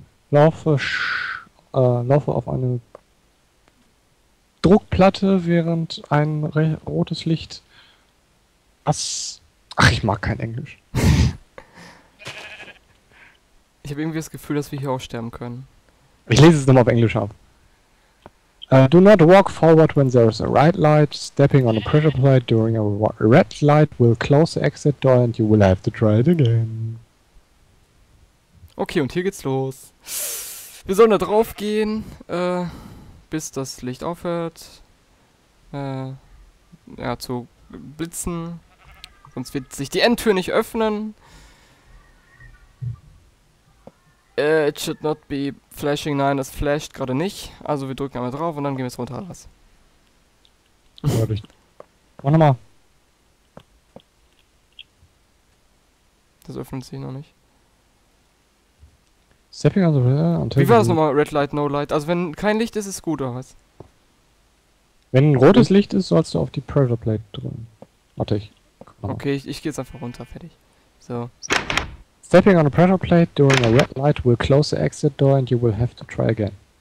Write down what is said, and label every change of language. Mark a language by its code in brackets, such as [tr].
[de] Laufe auf eine Druckplatte, während ein rotes Licht. Ach, ich mag kein Englisch. Ich habe irgendwie das Gefühl, dass wir hier auch sterben können. Ich lese es nochmal auf Englisch ab. [en] Do not walk forward when there is a red light. Stepping on a pressure plate during a red light will close the exit door and you will have to try it again. [de] Okay, und hier geht's los. Wir sollen da drauf gehen, bis das Licht aufhört. Ja, zu blitzen. Sonst wird sich die Endtür nicht öffnen. [en] It should not be flashing, [de] nein, das flasht gerade nicht. Also wir drücken einmal drauf und dann gehen wir es runter. Was? Mach nochmal. Das öffnet sich noch nicht. [en] Stepping on the red light. [de] Wie war das nochmal? [en] Red light, no light. [de] Also wenn kein Licht ist, ist gut, oder was? Wenn ein rotes Licht ist, sollst du auf die Pressure Plate drücken. Warte ich. Okay, ich geh jetzt einfach runter, fertig. So. [en] Stepping on a pressure plate during a red light will close the exit door and you will have to try again.